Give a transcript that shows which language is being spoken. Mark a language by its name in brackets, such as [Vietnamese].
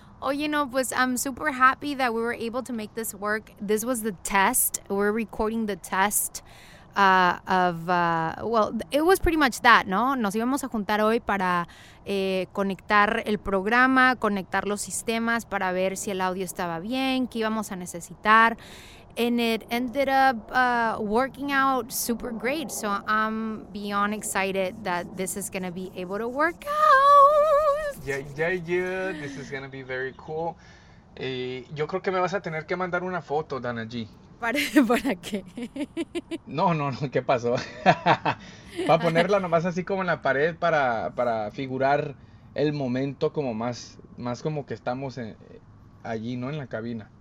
[Spanish] Oye, no, pues [English] I'm super happy that we were able to make this work. This was the test. We're recording the test. Well, it was pretty much that, ¿no? [Spanish] Nos íbamos a juntar hoy para conectar el programa, conectar los sistemas para ver si el audio estaba bien, qué íbamos a necesitar. [English] And it ended up working out super great. So I'm beyond excited that this is going to be able to work Yeah, this is gonna be very cool. [Spanish] Yo creo que me vas a tener que mandar una foto, Dana G. ¿Para qué? No, no, no, ¿qué pasó? Va a ponerla nomás así como en la pared para figurar el momento como más como que estamos allí, ¿no? En la cabina.